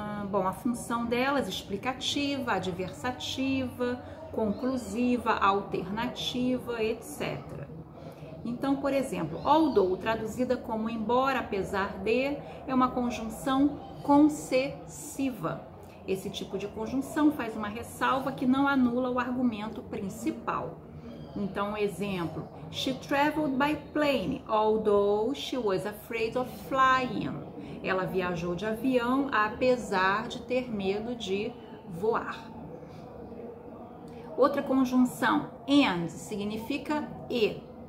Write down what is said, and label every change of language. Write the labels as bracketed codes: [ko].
[pt] Bom, a função delas, explicativa, adversativa, conclusiva, alternativa, etc. Então, por exemplo, although, traduzida como embora, apesar de, é uma conjunção concessiva. Esse tipo de conjunção faz uma ressalva que não anula o argumento principal. Então, exemplo, [en] she traveled by plane, although she was afraid of flying. [pt] Ela viajou de avião, apesar de ter medo de voar. Outra conjunção, and, significa e.